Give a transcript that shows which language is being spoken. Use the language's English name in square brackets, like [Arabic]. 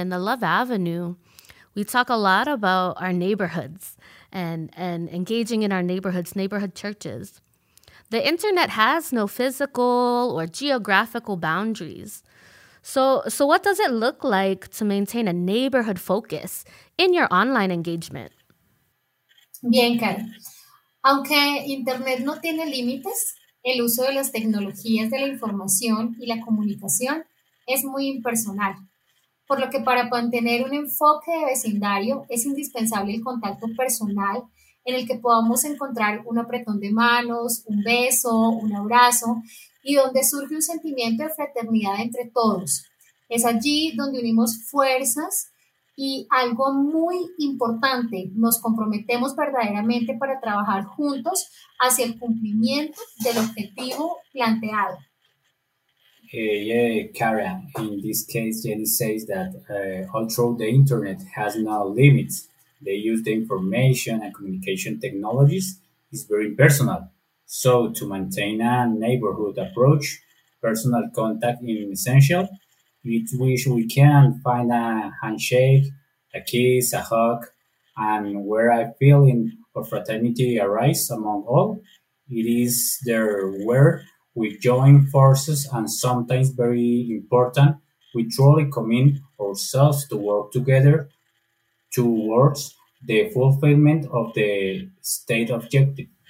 [English] In the Love Avenue, we talk a lot about our neighborhoods and engaging in our neighborhoods, neighborhood churches. The internet has no physical or geographical boundaries. So what does it look like to maintain a neighborhood focus in your online engagement? [Spanish] Bien, Karen. Aunque internet no tiene límites, el uso de las tecnologías de la información y la comunicación es muy impersonal. Por lo que para mantener un enfoque de vecindario es indispensable el contacto personal en el que podamos encontrar un apretón de manos, un beso, un abrazo y donde surge un sentimiento de fraternidad entre todos. Es allí donde unimos fuerzas y algo muy importante, nos comprometemos verdaderamente para trabajar juntos hacia el cumplimiento del objetivo planteado. [English] Cara, in this case, Jenny says that although the internet has no limits, the use of information and communication technologies is very personal. So to maintain a neighborhood approach, personal contact is essential, with which we can find a handshake, a kiss, a hug, and where a feeling of fraternity arises among all, it is there where we join forces, and sometimes very important, we truly commit ourselves to work together towards the fulfillment of the state objective.